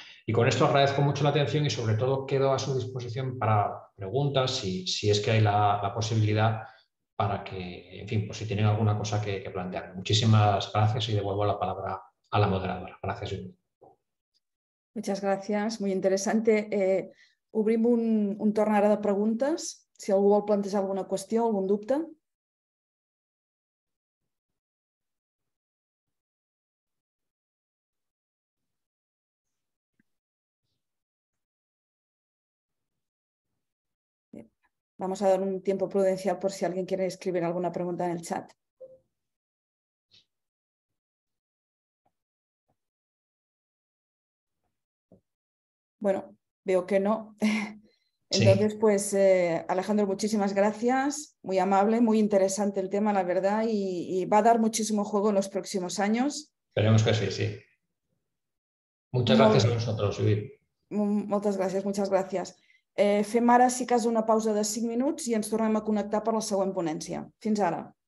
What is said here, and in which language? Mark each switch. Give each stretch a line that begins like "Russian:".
Spanish: Y con esto agradezco mucho la atención y sobre todo quedo a su disposición para preguntas, si es que hay la posibilidad, para que, en fin, pues si tienen alguna cosa que plantear. Muchísimas gracias y devuelvo la palabra a la moderadora. Gracias. Muchas gracias, muy interesante.
Catalan: Obrim un torn ara de preguntes, si algú vol plantejar alguna qüestió, algun dubte.
Spanish: Vamos a dar un tiempo prudencial por si alguien quiere escribir alguna pregunta en el chat. Bueno, veo que no. Entonces, sí. Pues, Alejandro, muchísimas gracias. Muy amable, muy interesante el tema, la verdad, y va a dar muchísimo juego en los próximos años. Esperemos que sí. Muchas gracias a vosotros, Ibi. Muchas gracias.
Catalan: Fem ara, si cas, una pausa de 5 minuts i ens tornem a connectar per la següent ponència. Fins ara.